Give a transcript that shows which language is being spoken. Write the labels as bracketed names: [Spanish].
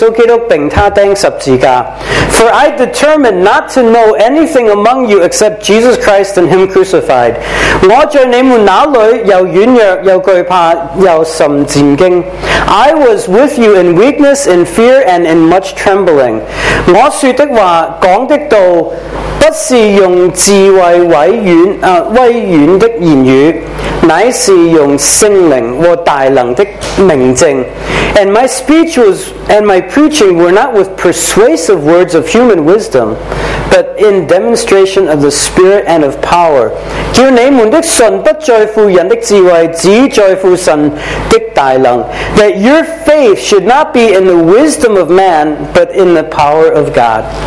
[Chinese] 因为我曾定了主意，在你们中间不知道别的，只知道耶稣基督并他钉十字架。 [English] For I determined not to know anything among you except Jesus Christ and Him crucified. [Chinese] 我在你们那里又软弱又惧怕又甚战惊。 [English] I was with you in weakness, in fear, and in much trembling. [Chinese] 我说的话，讲的道，不是用智慧委婉的言语。 [English] 乃是用圣灵和大能的明证。 And my speech was, and my preaching were not with persuasive words of human wisdom, but in demonstration of the Spirit and of power. [Chinese] 叫你们的信不在乎人的智慧，只在乎神的大能。 [English] That your faith should not be in the wisdom of man, but in the power of God.